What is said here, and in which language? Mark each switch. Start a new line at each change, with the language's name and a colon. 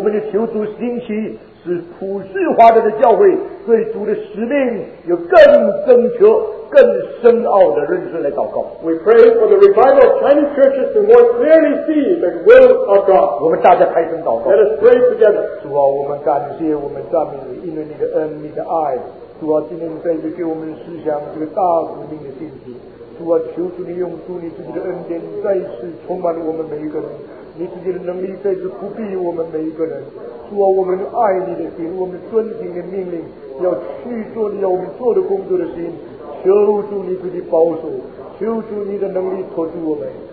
Chinese: 我们要求主兴起, 使普世化的教会, 对主的使命有更正确, 更深奥的认识来祷告。
English: We pray for the revival of Chinese churches to more clearly see the will of God.
Chinese: 我们大家开声祷告。
English: Let us pray together.
Chinese: 主啊, 我们感谢, 我们赞美你, 因为你的恩, 你的爱。主啊, 今天再次给我们思想这个大使命的信息。主啊, 求主你用主你自己的恩典, 再次充满我们每一个人。你自己的能力再次不必我们每一个人。主啊, 我们爱你的心, 我们遵行的命令, 要去做你要我们做的工作的心, 求主你自己保守, 求主你的能力托住我们。